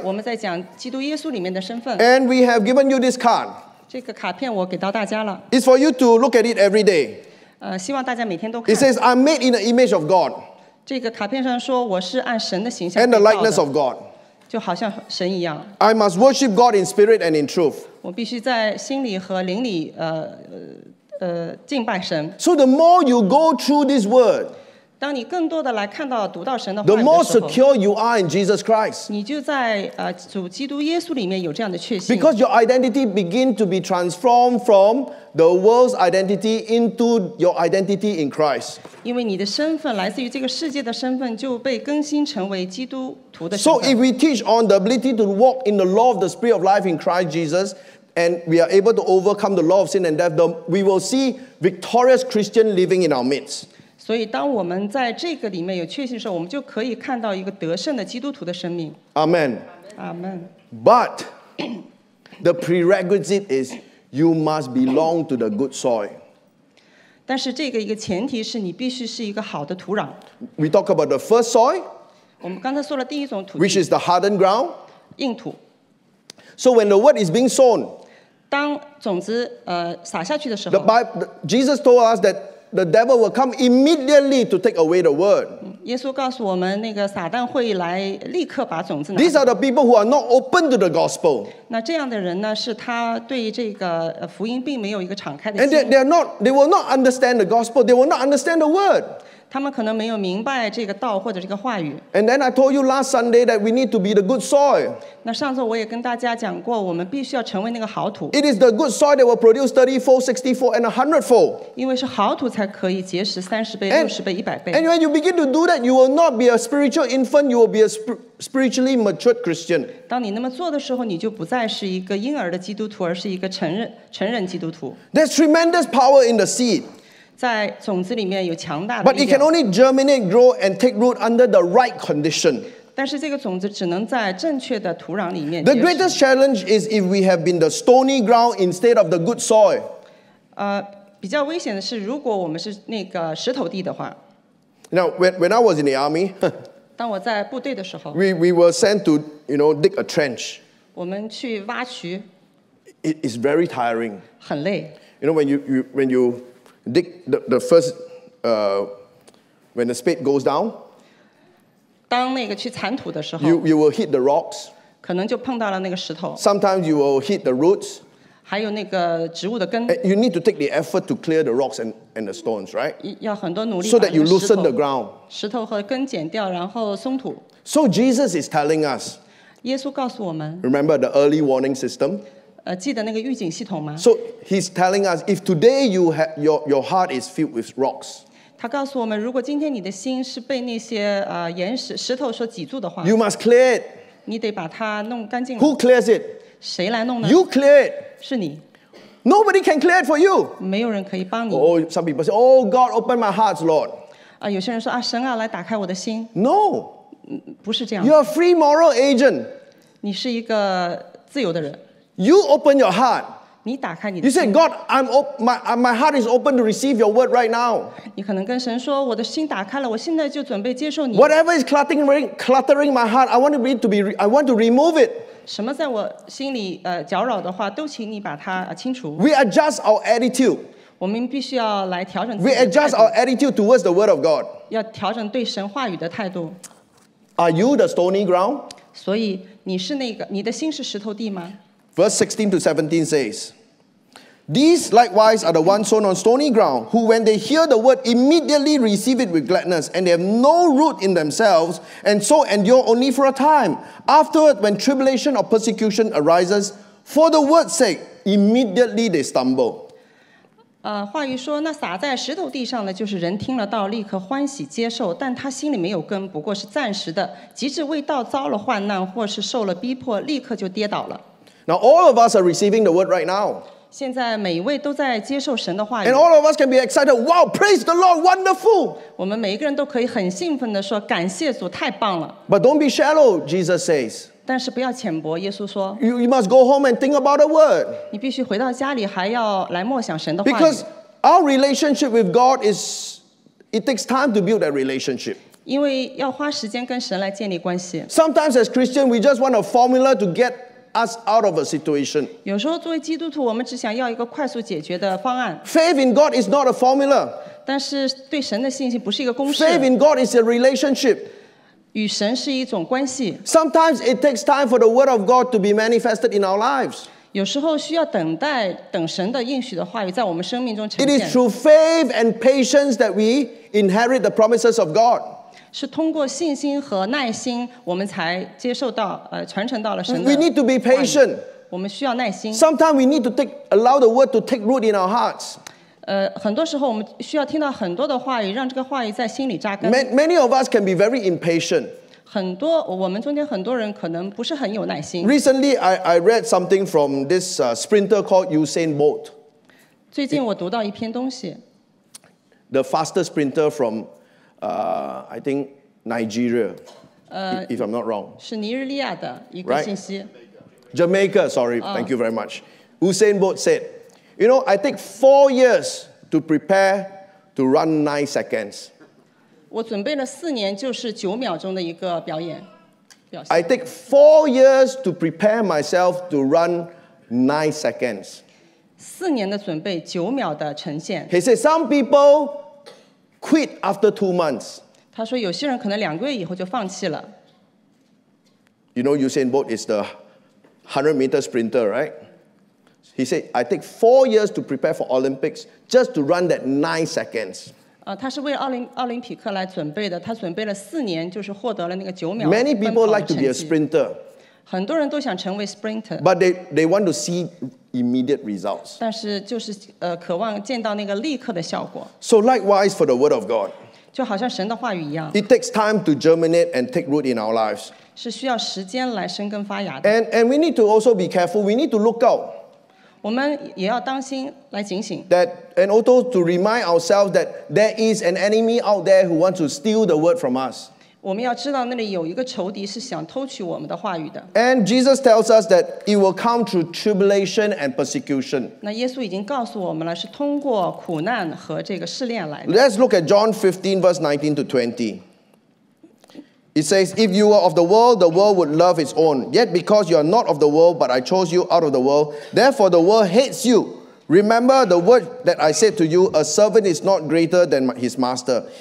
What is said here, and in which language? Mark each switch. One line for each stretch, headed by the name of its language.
Chinese: 我们在讲基督耶稣里面的身份。
English: And we have given you this card.
Chinese: 这个卡片我给到大家了。
English: It's for you to look at it every day.
Chinese: 希望大家每天都看。
English: It says, I'm made in the image of God.
Chinese: 这个卡片上说我是按神的形象被造的。
English: And the likeness of God.
Chinese: 就好像神一样。
English: I must worship God in spirit and in truth.
Chinese: 我必须在心里和灵里敬拜神。
English: So the more you go through this word,
Chinese: 当你更多的来看到读到神的话语的时候
English: the more secure you are in Jesus Christ.
Chinese: 你就在主基督耶稣里面有这样的确信。
English: Because your identity begin to be transformed from the world's identity into your identity in Christ.
Chinese: 因为你的身份来自于这个世界的身份就被更新成为基督。
English: So if we teach on the ability to walk in the law of the spirit of life in Christ Jesus, and we are able to overcome the law of sin and death, we will see victorious Christian living in our midst.
Chinese: 所以当我们在这个里面有确信的时候，我们就可以看到一个得胜的基督徒的生命。
English: Amen. Amen. But the prerequisite is you must belong to the good soil.
Chinese: 但是这个一个前提是你必须是一个好的土壤。
English: We talk about the first soil.
Chinese: 我们刚才说了第一种土地
English: which is the hardened ground,
Chinese: 硬土。
English: So when the word is being sown,
Chinese: 当种子撒下去的时候
English: the Bible, Jesus told us that the devil will come immediately to take away the word.
Chinese: 耶稣告诉我们那个撒旦会来立刻把种子拿。
English: These are the people who are not open to the gospel.
Chinese: 那这样的人呢，是他对这个福音并没有一个敞开的心。
English: And they are not, they will not understand the gospel. They will not understand the word.
Chinese: 他们可能没有明白这个道或者这个话语。
English: And then I told you last Sunday that we need to be the good soil.
Chinese: 那上次我也跟大家讲过，我们必须要成为那个好土。
English: It is the good soil that will produce 30-fold, 60-fold, and 100-fold.
Chinese: 因为是好土才可以结实30倍、60倍、100倍。
English: And when you begin to do that, you will not be a spiritual infant. You will be a spiritually matured Christian.
Chinese: 当你那么做的时候，你就不再是一个婴儿的基督徒，而是一个成人基督徒。
English: There's tremendous power in the seed.
Chinese: 在种子里面有强大的力量。
English: But it can only germinate, grow, and take root under the right condition.
Chinese: 但是这个种子只能在正确的土壤里面。
English: The greatest challenge is if we have been the stony ground instead of the good soil.
Chinese: 比较危险的是，如果我们是那个石头地的话。
English: Now, when I was in the army,
Chinese: 当我在部队的时候
English: we were sent to, you know, dig a trench.
Chinese: 我们去挖渠。
English: It is very tiring.
Chinese: 很累。
English: You know, when you dig the first, when the spade goes down,
Chinese: 当那个去铲土的时候
English: you will hit the rocks,
Chinese: 可能就碰到了那个石头
English: sometimes you will hit the roots,
Chinese: 还有那个植物的根。
English: You need to take the effort to clear the rocks and the stones, right?
Chinese: 要很多努力。
English: So that you loosen the ground.
Chinese: 石头和根剪掉，然后松土。
English: So Jesus is telling us.
Chinese: 耶稣告诉我们。
English: Remember the early warning system.
Chinese: 记得那个预警系统吗
English: ？So he's telling us, if today you have your heart is filled with rocks.
Chinese: 他告诉我们，如果今天你的心是被那些岩石石头所挤住的话
English: ，You must clear it.
Chinese: 你得把它弄干净。
English: Who clears it?
Chinese: 谁来弄呢
English: ？You clear it.
Chinese: 是你。
English: Nobody can clear it for you.
Chinese: 没有人可以帮你。
English: Oh, some people say, "Oh, God, open my heart, Lord."
Chinese: 啊，有些人说啊，神啊，来打开我的心。
English: No.
Chinese: 不是这样。
English: You're a free moral agent.
Chinese: 你是一个自由的人。
English: You open your heart.
Chinese: 你打开你的。
English: You say, God, my heart is open to receive your word right now.
Chinese: 你可能跟神说，我的心打开了，我现在就准备接受你。
English: Whatever is cluttering my heart, I want to remove it.
Chinese: 什么在我心里搅扰的话，都请你把它清除。
English: We adjust our attitude.
Chinese: 我们必须要来调整。
English: We adjust our attitude towards the word of God.
Chinese: 要调整对神话语的态度。
English: Are you the stony ground?
Chinese: 所以你是那个，你的心是石头地吗？
English: Verse 16 to 17 says, These likewise are the ones sown on stony ground, who when they hear the word immediately receive it with gladness, and they have no root in themselves, and so endure only for a time. Afterward, when tribulation or persecution arises, for the word's sake, immediately they stumble.
Chinese: 话语说，那撒在石头地上的，就是人听了道，立刻欢喜接受，但他心里没有根，不过是暂时的，即至为道遭了患难，或是受了逼迫，立刻就跌倒了。
English: Now all of us are receiving the word right now.
Chinese: 现在每一位都在接受神的话语。
English: And all of us can be excited. Wow, praise the Lord, wonderful.
Chinese: 我们每一个人都可以很兴奋地说，感谢主，太棒了。
English: But don't be shallow, Jesus says.
Chinese: 但是不要浅薄，耶稣说。
English: You must go home and think about the word.
Chinese: 你必须回到家里，还要来默想神的话语。
English: Because our relationship with God is, it takes time to build that relationship.
Chinese: 因为要花时间跟神来建立关系。
English: Sometimes as Christians, we just want a formula to get. Us out of a situation.
Chinese: 有时候作为基督徒，我们只想要一个快速解决的方案。
English: Faith in God is not a formula.
Chinese: 但是对神的信心不是一个公式。
English: Faith in God is a relationship.
Chinese: 与神是一种关系。
English: Sometimes it takes time for the word of God to be manifested in our lives.
Chinese: 有时候需要等待等神的应许的话语在我们生命中呈现。
English: It is through faith and patience that we inherit the promises of God.
Chinese: 是通过信心和耐心，我们才接受到传承到了神的。
English: We need to be patient.
Chinese: 我们需要耐心。
English: Sometimes we need to allow the word to take root in our hearts.
Chinese: 很多时候我们需要听到很多的话语，让这个话语在心里扎根。
English: Many of us can be very impatient.
Chinese: 很多我们中间很多人可能不是很有耐心。
English: Recently, I read something from this sprinter called Usain Bolt.
Chinese: 最近我读到一篇东西。
English: The fastest sprinter from. I think Nigeria, if I'm not wrong.
Chinese: 是尼日利亚的一个信息。
English: Jamaica, sorry, thank you very much. Usain Bolt said, you know, I take 4 years to prepare to run 9 seconds.
Chinese: 我准备了四年就是九秒钟的一个表演。
English: I take 4 years to prepare myself to run 9 seconds.
Chinese: 四年的准备九秒的呈现。
English: He said, some people... Quit after 2 months.
Chinese: 他说有些人可能两个月以后就放弃了。
English: You know Usain Bolt is the 100 meter sprinter, right? He said, I take 4 years to prepare for Olympics just to run that 9 seconds.
Chinese: 他是为奥林匹克来准备的，他准备了四年，就是获得了那个九秒。
English: Many people like to be a sprinter.
Chinese: 很多人都想成为 sprinter.
English: But they want to see. Immediate results.
Chinese: 但是就是渴望见到那个立刻的效果。
English: So likewise for the word of God.
Chinese: 就好像神的话语一样。
English: It takes time to germinate and take root in our lives.
Chinese: 是需要时间来生根发芽的。
English: And we need to also be careful. We need to look out.
Chinese: 我们也要当心来警醒。
English: That and also to remind ourselves that there is an enemy out there who wants to steal the word from us.
Chinese: 我们要知道那里有一个仇敌是想偷取我们的话语的。
English: And Jesus tells us that it will come through tribulation and persecution.
Chinese: 那耶稣已经告诉我们了，是通过苦难和这个试炼来的。
English: Let's look at John 15 verse 19 to 20. It says, If you were of the world would love its own. Yet because you are not of the world, but I chose you out of the world, therefore the world hates you. Remember the word that I said to you, a servant is not greater than his master.